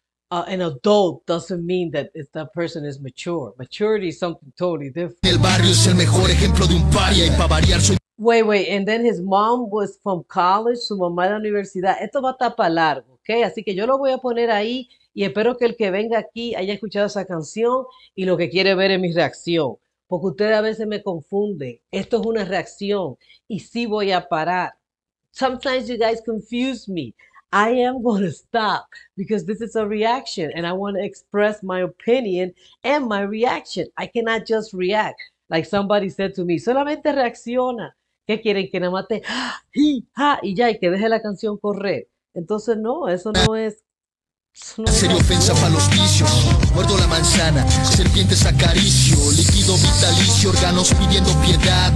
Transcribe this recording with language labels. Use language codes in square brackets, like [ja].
[en] An adult doesn't mean that if that person is mature. Maturity is something totally different. [es] El barrio es el mejor ejemplo de un paria y para variar soy... [en] Wait, and then his mom was from college, [es] su mamá de la universidad. Esto va a estar para largo, ¿ok? Así que yo lo voy a poner ahí y espero que el que venga aquí haya escuchado esa canción y lo que quiere ver es mi reacción. Porque ustedes a veces me confunden. Esto es una reacción y sí voy a parar. [en] Sometimes you guys confuse me. I am going to stop because this is a reaction and I want to express my opinion and my reaction. I cannot just react like somebody said to me. [es] Solamente reacciona. ¿Qué quieren? Que nada más te y ya, y que deje la canción correr. Entonces, no, eso no es Sería la ofensa forma. para los vicios. Muerdo la manzana, serpientes acaricio. Líquido vitalicio, órganos pidiendo piedad.